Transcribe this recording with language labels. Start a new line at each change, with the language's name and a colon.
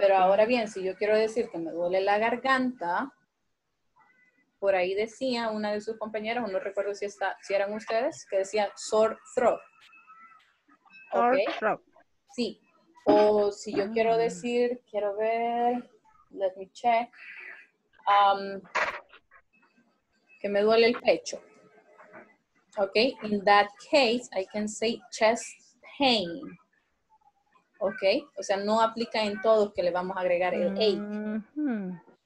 Spanish: Pero ahora bien, si yo quiero decir que me duele la garganta, por ahí decía una de sus compañeras, no recuerdo si eran ustedes, que decía sore throat.
English: Sore throat.
Spanish: Sí. O si yo quiero decir, quiero ver,
English: let me check,
Spanish: que me duele el pecho.
English: Okay. In that case, I can say chest pain. Okay.
Spanish: O sea, no aplica en todos que le vamos a agregar el ache.